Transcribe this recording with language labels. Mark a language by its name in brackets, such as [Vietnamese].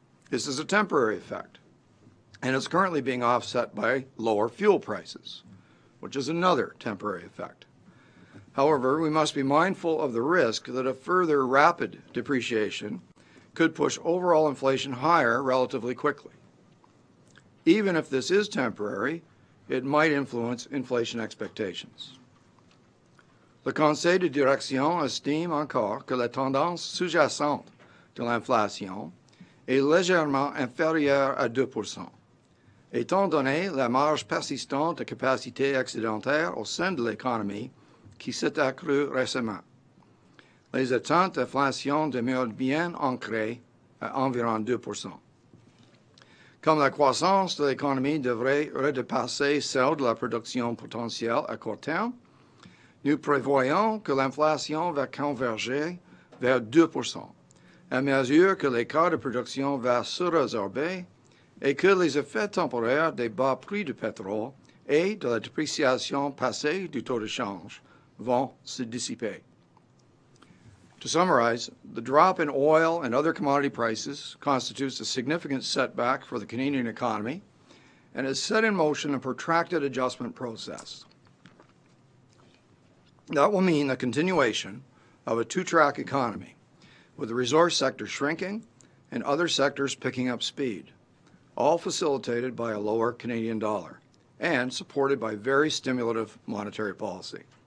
[English] This is a temporary effect, and it's currently being offset by lower fuel prices, which is another temporary effect. However, we must be mindful of the risk that a further rapid depreciation could push overall inflation higher relatively quickly. Even if this is temporary, it might influence inflation expectations. [French] Le Conseil de direction estime encore que la tendance sous-jacente de l'inflation est légèrement inférieure à 2%, étant donné la marge persistante de capacité excédentaire au sein de l'économie qui s'est accrue récemment. Les attentes d'inflation demeurent bien ancrées à environ 2%. Comme la croissance de l'économie devrait redépasser celle de la production potentielle à court terme, nous prévoyons que l'inflation va converger vers 2% à mesure que l'écart de production va se résorber et que les effets temporaires des bas prix du pétrole et de la dépréciation passée du taux de change vont se dissiper. [English] To summarize, the drop in oil and other commodity prices constitutes a significant setback for the Canadian economy and has set in motion a protracted adjustment process. That will mean the continuation of a two-track economy, with the resource sector shrinking and other sectors picking up speed, all facilitated by a lower Canadian dollar and supported by very stimulative monetary policy.